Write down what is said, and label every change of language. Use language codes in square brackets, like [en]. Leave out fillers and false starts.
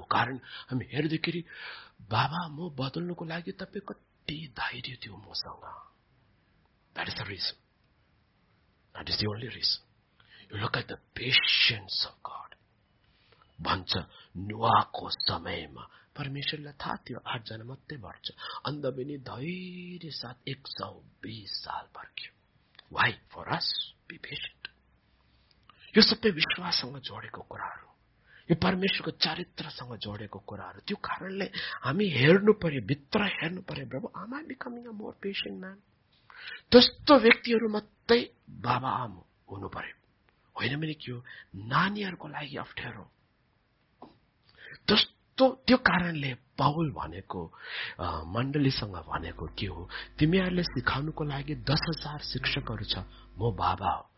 [ne] कारण हामी हेर्दाखेरि बाबा म बदल्नुको लागि तपाईँ कति धैर्य थियो मसँग. [en] That is the reason. That is the only reason. You look at the patience of God. [ne] भन्छ नुवाको समयमा परमेश्वरले थाहा थियो आठ जना मात्रै बढ्छ, अन्त पनि धैर्य साथ 120 साल पर्ख्यो. [en] Why? For us, be patient. [ne] यो सबै विश्वाससँग जोडेको कुराहरू, यो परमेश्वरको चरित्रसँग जोडेको कुराहरू. त्यो कारणले हामी हेर्नु पर्यो, भित्र हेर्नु पर्यो. [en] Prabhu, am I becoming a more patient man? [ne] त्यस्तो व्यक्तिहरू मात्रै बाबा आमा हुनु पर्यो. होइन भने के हो? नानीहरूको लागि अप्ठ्यारो. त्यस्तो त्यो कारणले पाउल भनेको मण्डलीसँग भनेको के हो? तिमीहरूले सिकाउनुको लागि 10,000 शिक्षकहरू छ, म बाबा हो.